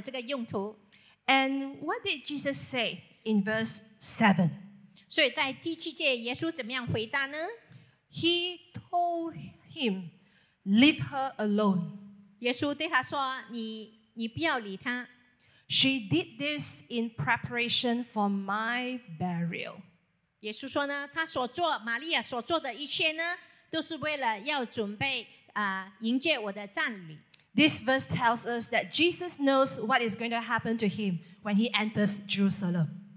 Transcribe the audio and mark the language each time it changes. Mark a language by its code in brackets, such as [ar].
[zh] 所以他建议说，这罐的香膏呢，倒不如用来做更好的这个用途。 [en] And what did Jesus say? In verse 7. [zh] 所以在第七节耶稣怎么样回答呢? [en] He told him, leave her alone. [zh] 耶稣对他说,你不要理他。 [en] She did this in preparation for my burial. [zh] 耶稣说呢,他所做,玛利亚所做的一切呢,都是为了要准备迎接我的葬礼。 [en] This verse tells us that Jesus knows what is going to happen to him when he enters Jerusalem.